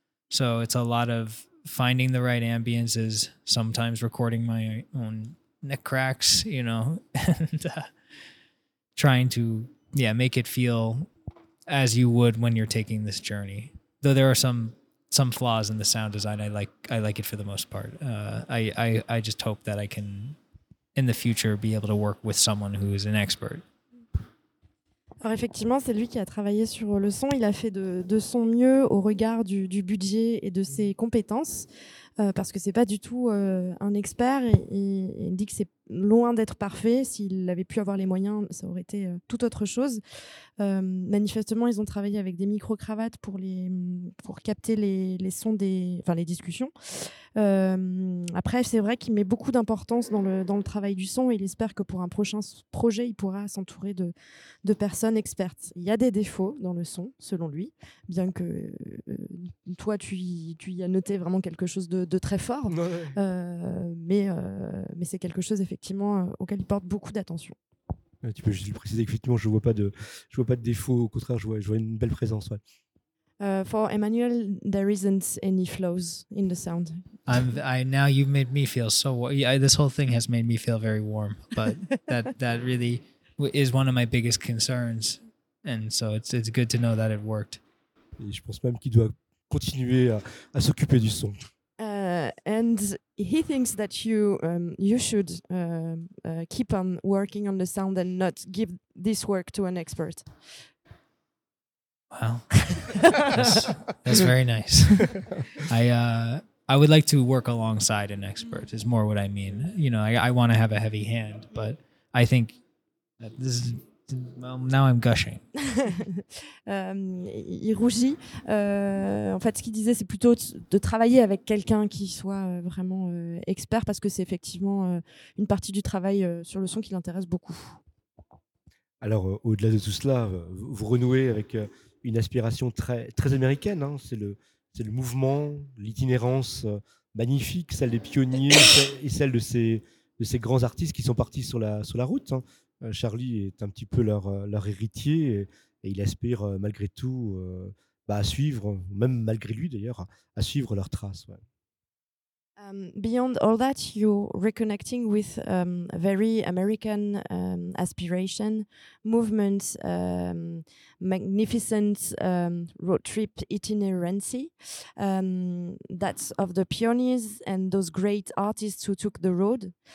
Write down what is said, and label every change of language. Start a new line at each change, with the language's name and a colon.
English: So it's a lot of finding the right ambiences, sometimes recording my own neck cracks, you know, and trying to, make it feel as you would when you're taking this journey. Though there are some some flaws in the sound design. I like it for the most part. I just hope that I can, in the future, be able to work with someone who is an expert.
French: Alors effectivement, c'est lui qui a travaillé sur le son. Il a fait de son mieux au regard du budget et de ses compétences, parce que c'est pas du tout un expert. Il dit que c'est loin d'être parfait. S'il avait pu avoir les moyens, ça aurait été tout autre chose. Manifestement, ils ont travaillé avec des micro-cravates pour capter les sons les discussions. Après, c'est vrai qu'il met beaucoup d'importance dans le travail du son et il espère que pour un prochain projet, il pourra s'entourer de personnes expertes. Il y a des défauts dans le son, selon lui, bien que toi, tu y as noté vraiment quelque chose de très fort. Ouais. Mais c'est quelque chose, effectivement, auquel il porte beaucoup d'attention. Tu peux juste le préciser, effectivement, je vois pas de défauts. Au contraire, je vois une belle présence. Ouais.
English: For Emmanuel, there isn't any flaws in the sound. Now you've made me feel so warm. This whole thing has made me feel very warm, but that really is one of my biggest concerns, and so it's good to know that it worked.
French: Et je pense même qu'il doit continuer à s'occuper du son.
English: And he thinks that you should keep on working on the sound and not give this work to an expert. Well, that's very nice. I would like to work alongside an expert is more what I mean. You know, I want to have a heavy hand, but I think that this is, well, now I'm gushing.
French: Il rougit. En fait, ce qu'il disait, c'est plutôt de travailler avec quelqu'un qui soit vraiment expert, parce que c'est effectivement une partie du travail sur le son qui l'intéresse beaucoup. Alors, au-delà de tout cela, vous renouez avec une aspiration très, très américaine, hein. C'est le mouvement, l'itinérance magnifique, celle des pionniers et celle de ces grands artistes qui sont partis sur la route, hein. Charlie est un petit peu leur héritier et il aspire malgré tout à suivre, même malgré lui d'ailleurs, à suivre leurs traces. Ouais.
English: Beyond all that, you're reconnecting with very American aspiration, movement, magnificent road trip itinerancy. That's of the pioneers and those great artists who took the road.